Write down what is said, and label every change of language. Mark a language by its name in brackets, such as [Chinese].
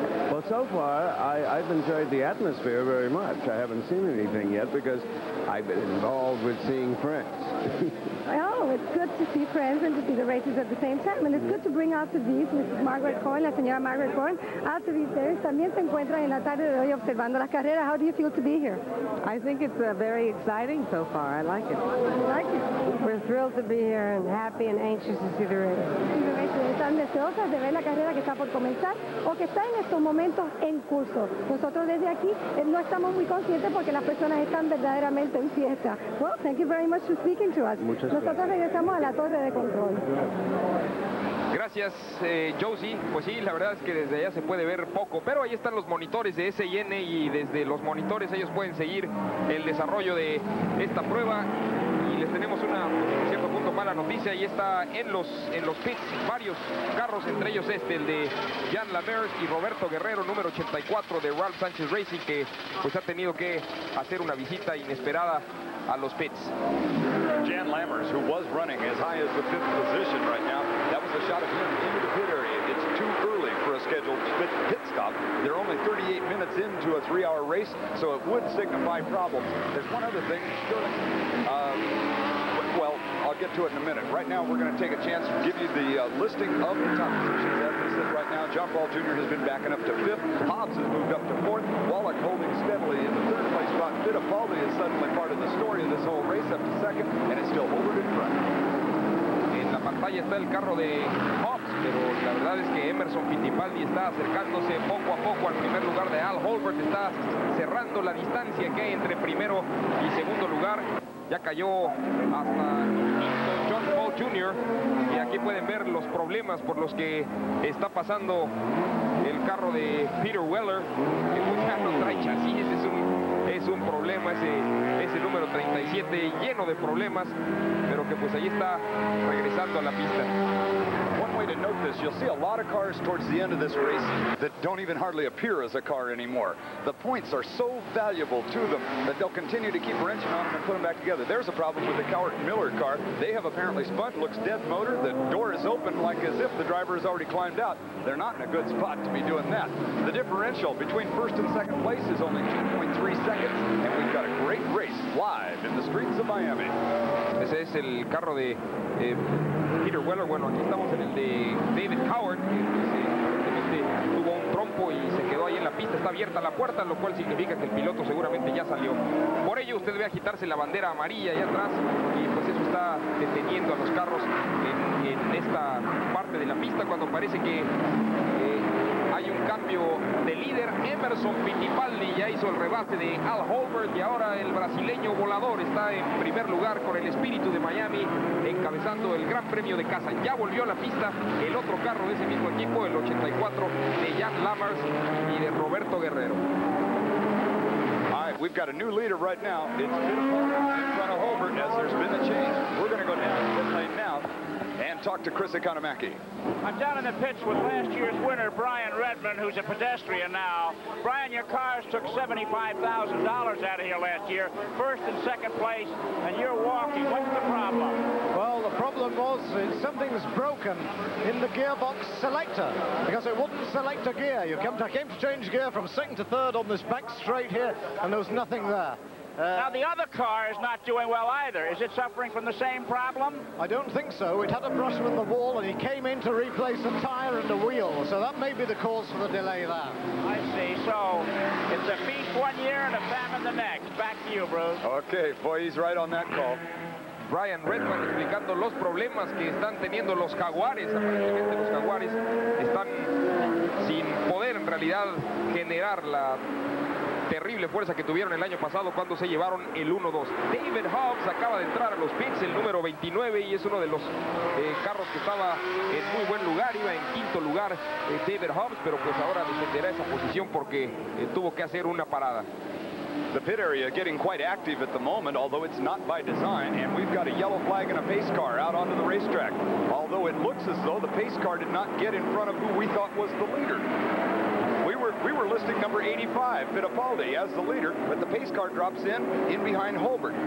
[English] Well, so far, I've enjoyed the atmosphere very much. I haven't seen anything yet because I've been involved with seeing friends. Oh, it's good to see friends and to see the races at the same time. And it's good to bring out to these, Mrs. Margaret Cohen, [Spanish] la señora [English] Margaret Cohen, out to these areas. [Spanish] También se encuentran en la tarde de hoy observando las carreras. [English] How do you feel to be here? I think it's very exciting so far. I like it. I like it. We're thrilled to be here and happy and anxious to see the race. [Spanish] Están deseosas de ver la carrera que está por comenzar o que está en estos momentos en curso. Nosotros desde aquí no estamos muy conscientes porque las personas están verdaderamente en fiesta. [English] Well, thank you very much for speaking to us. [Spanish] Nosotros regresamos a la torre de control. Gracias, Josie. Pues sí, la verdad es que desde allá se puede ver poco, pero ahí están los monitores de SIN y desde los monitores ellos pueden seguir el desarrollo de esta prueba. Y les tenemos una, en cierto punto, mala noticia. Ahí está en los pits varios carros, entre ellos este, el de Jan Lammers y Roberto Guerrero, número 84 de Ralph Sanchez Racing, que pues ha tenido que hacer una visita inesperada a los pits. [English] Jan Lammers, who was running as high as the fifth position right now, that was a shot of him into the pit area. It's too early for a scheduled pit stop. They're only 38 minutes into a three-hour race, so it would signify problems. There's one other thing. Well, I'll get to it in a minute. Right now, we're going to take a chance to give you the listing of the top positions. As I said, right now, John Paul Jr. has been backing up to fifth. Hobbs has moved up to fourth. Wallach holding steadily in the third place spot. Fittipaldi is suddenly part of the story of this whole race, up to second, and it's still Hobart in front. [Spanish] En la pantalla está el carro de Hobbs, pero la verdad es que Emerson Fittipaldi está acercándose poco a poco al primer lugar de Al Holbert. Está cerrando la distancia que hay entre primero y segundo lugar. Ya cayó hasta John Paul Jr. Y aquí pueden ver los problemas por los que está pasando el carro de Peter Weller. Que pues ya no trae chasis, es un problema ese número 37, lleno de problemas, pero que pues ahí está regresando a la pista. [English] Way to note this, you'll see a lot of cars towards the end of this race that don't even hardly appear as a car anymore. The points are so valuable to them that they'll continue to keep wrenching on them and put them back together. There's a problem with the Cowart Miller car. They have apparently spun, looks dead motor, the door is open like as if the driver has already climbed out. They're not in a good spot to be doing that. The differential between first and second place is only 2.3 seconds, and we've got a great race live in the streets of Miami. [Spanish] Ese es el carro de Peter Weller. Bueno, aquí estamos en el de David Cowart, que aparentemente tuvo un trompo y se quedó ahí en la pista. Está abierta la puerta, lo cual significa que el piloto seguramente ya salió. Por ello, usted ve agitarse la bandera amarilla ahí atrás y pues eso está deteniendo a los carros en esta parte de la pista cuando parece que hay un cambio de líder. Emerson Fittipaldi ya hizo el rebate de Al Holbert y ahora el brasileño volador está en primer lugar con el espíritu de Miami encabezando el Gran Premio de casa. Ya volvió a la pista el otro carro de ese mismo equipo, el 84 de Jan Lammers y de Roberto Guerrero. [English] We've got a new leader right now. It's Fittipaldi in front of Holbert as there's been a change. We're going to go down to pit lane now and talk to Chris Economaki. I'm down in the pits with last year's winner, Brian Redman, who's a pedestrian now. Brian, your cars took $75,000 out of here last year, first and second place, and you're walking. What's the problem? Well, the problem was something's broken in the gearbox selector because it wouldn't select a gear. I came to change gear from second to third on this back straight here, and there was nothing there. Now, the other car is not doing well either. Is it suffering from the same problem? I don't think so. It had a brush with the wall, and he came in to replace a tire and a wheel. So that may be the cause for the delay there. I see. So it's a feast one year and a famine the next. Back to you, Bruce. Okay, boy, he's right on that call. [Spanish] Brian Redman explicando los problemas que están teniendo los Jaguares. Aparentemente los Jaguares están sin poder en realidad generar la terrible fuerza que tuvieron el año pasado cuando se llevaron el 1-2. David Hobbs acaba de entrar a los pits, el número 29, y es uno de los carros que estaba en muy buen lugar, iba en quinto lugar David Hobbs, pero pues ahora defenderá esa posición porque tuvo que hacer una parada. [English] The pit area getting quite active at the moment, although it's not by design, and we've got a yellow flag and a pace car out onto the racetrack, although it looks as though the pace car did not get in front of who we thought was the leader. We were listing number 85, Fittipaldi, as the leader, but the pace car drops in behind Hulbert.